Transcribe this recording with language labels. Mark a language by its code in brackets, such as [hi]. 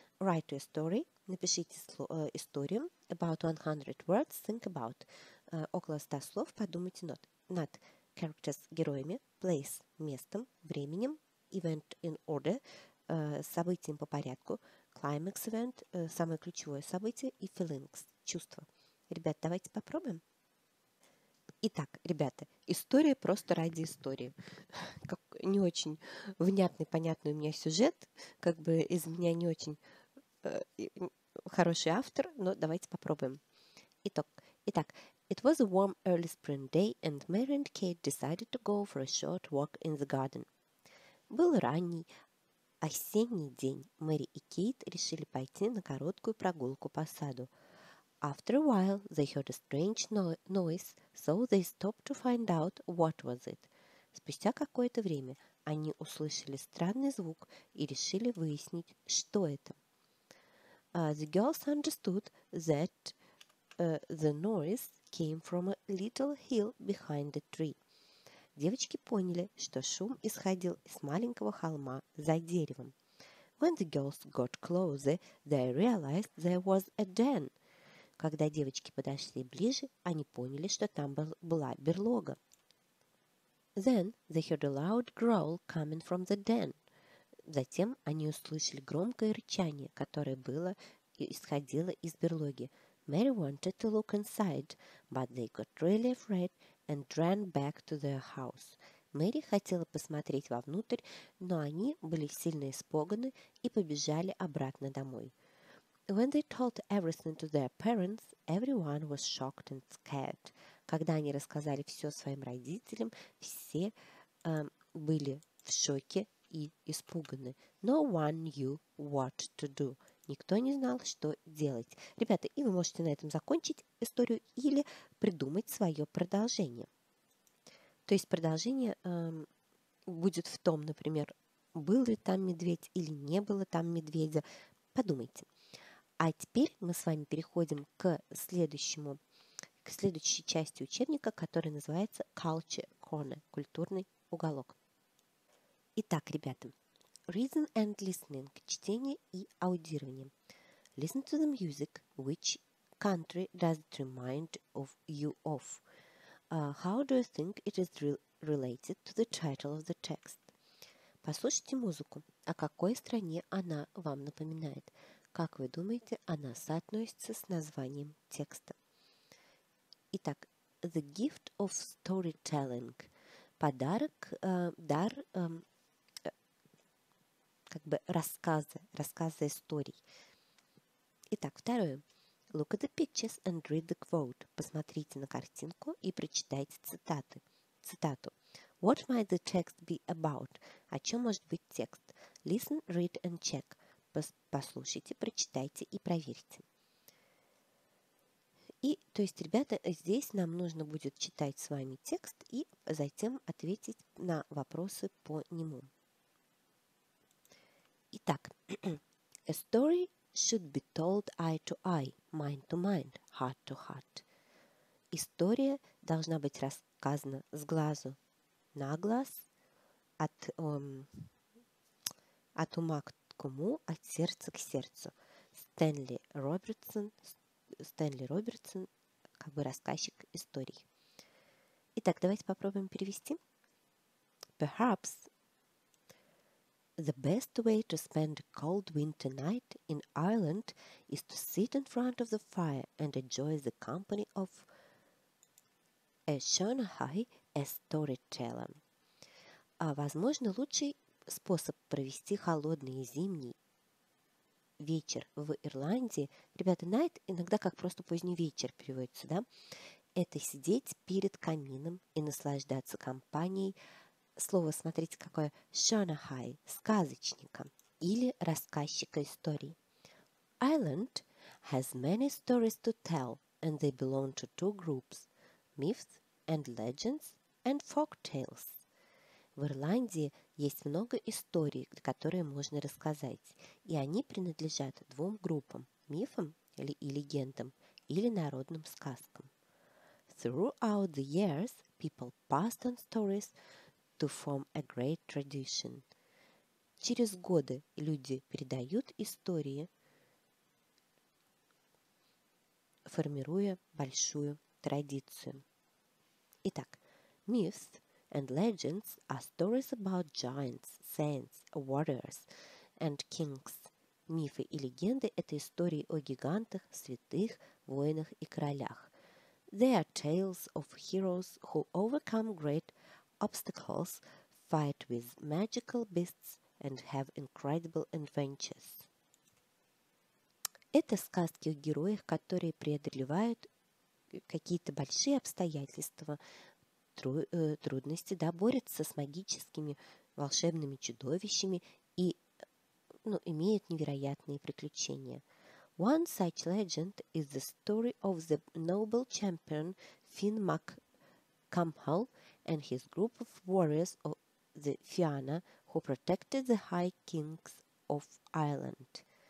[en] Write your story, [ru] напишите историю, [en] about 100 words, think about, [ru] около 100 слов, подумайте над characters, героями, place, местом, временем, [en] event in order, [ru] событием по порядку, [en] climax event, [ru] самое ключевое событие, и feelings, чувства. Ребят, давайте попробуем. Итак, ребята, история просто ради истории. Как, не очень внятный, понятный у меня сюжет, как бы из меня не очень хороший автор, но давайте попробуем. [en] Итак, it was a warm early spring day, and Mary and Kate decided to go for a short walk in the garden. [ru] Был ранний осенний день. Мэри и Кейт решили пойти на короткую прогулку по саду. [en] After a while, they heard a strange noise, so they stopped to find out what was it. [ru] Спустя какое-то время они услышали странный звук и решили выяснить, что это. [en] The girls understood that the noise came from a little hill behind the tree. [ru] Девочки поняли, что шум исходил из маленького холма за деревом. [en] When the girls got closer, they realized there was a den. [ru] Когда девочки подошли ближе, они поняли, что там была берлога. [en] Then they heard a loud growl coming from the den. [ru] Затем они услышали громкое рычание, которое было и исходило из берлоги. [en] Mary wanted to look inside, but they got really afraid and ran back to their house. [ru] Мэри хотела посмотреть вовнутрь, но они были сильно испуганы и побежали обратно домой. [en] When they told everything to their parents, everyone was shocked and scared. [ru] Когда они рассказали все своим родителям, все были в шоке и испуганы. [en] No one knew what to do. [ru] Никто не знал, что делать. Ребята, и вы можете на этом закончить историю или придумать свое продолжение. То есть продолжение будет в том, например, был ли там медведь или не было там медведя. Подумайте. А теперь мы с вами переходим к следующей части учебника, которая называется Culture Corner, культурный уголок. Итак, ребята, [en] reason and listening, [ru] чтение и аудирование. [en] Listen to the music, which country does it remind of you of? How do you think it is related to the title of the text? [ru] Послушайте музыку, о какой стране она вам напоминает? Как вы думаете, она соотносится с названием текста? [en] Итак, the gift of storytelling. [ru] Подарок, дар, как бы рассказы историй. Итак, второе. [en] Look at the pictures and read the quote. [ru] Посмотрите на картинку и прочитайте цитату. [en] What might the text be about? [ru] О чем может быть текст? [en] Listen, read and check. [ru] Послушайте, прочитайте и проверьте. И, то есть, ребята, здесь нам нужно будет читать с вами текст и затем ответить на вопросы по нему. [en] Итак, a story should be told eye to eye, mind to mind, heart to heart. [ru] История должна быть рассказана с глазу на глаз, от ума к уму, от сердца к сердцу. Стэнли Робертсон, как бы рассказчик историй. Итак, давайте попробуем перевести. [en] Perhaps the best way to spend a cold winter night in Ireland is to sit in front of the fire and enjoy the company of a Shanahai storyteller. [ru] Возможно, лучший способ провести холодный зимний вечер в Ирландии, ребята, night иногда как просто поздний вечер переводится, да, это сидеть перед камином и наслаждаться компанией. Слово, смотрите, какое, Shanahai, сказочника или рассказчика историй. [en] Ireland has many stories to tell, and they belong to two groups, myths and legends and folk tales. [ru] В Ирландии есть много историй, которые можно рассказать, и они принадлежат двум группам, мифам и легендам, или народным сказкам. [en] Throughout the years, people passed on stories to form a great tradition. [ru] Через годы люди передают истории, формируя большую традицию. [en] Итак, myths and legends are stories about giants, saints, warriors, and kings. [ru] Мифы и легенды – это истории о гигантах, святых, воинах и королях. [en] They are tales of heroes who overcome great obstacles, fight with magical beasts, and have incredible adventures. [ru] Это сказки о героях, которые преодолевают какие-то большие обстоятельства, трудности, да, борются с магическими волшебными чудовищами и, ну, имеют невероятные приключения. [en] One such legend is the story of the noble champion Finn Mac Campbell and his group of warriors of the Fianna, who protected the High Kings of Ireland.